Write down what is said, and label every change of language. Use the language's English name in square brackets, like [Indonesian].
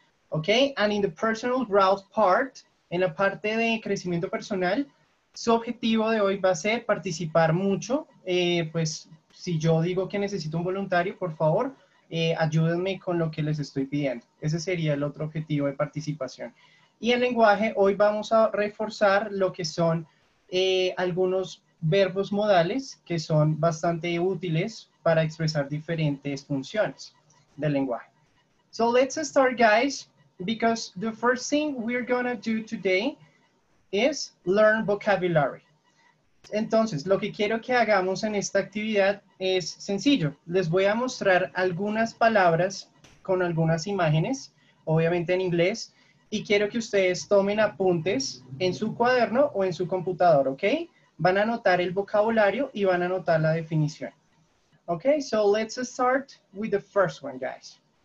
[English] Okay, and in the personal growth part, [Spanish] en la parte de crecimiento personal, su objetivo de hoy va a ser participar mucho, pues, si yo digo que necesito un voluntario, por favor, ayúdenme con lo que les estoy pidiendo. Ese sería el otro objetivo de participación. Y en lenguaje, hoy vamos a reforzar lo que son algunos verbos modales que son bastante útiles para expresar diferentes funciones del lenguaje. [English] So let's start, guys, because the first thing we're gonna do today is learn vocabulary. [Spanish] Entonces, lo que quiero que hagamos en esta actividad es sencillo. Les voy a mostrar algunas palabras con algunas imágenes, obviamente en inglés, y quiero que ustedes tomen apuntes en su cuaderno o en su computador, ¿ok? Van a anotar el vocabulario y van a anotar la definición. [English] Ok, so let's start with the first one, guys.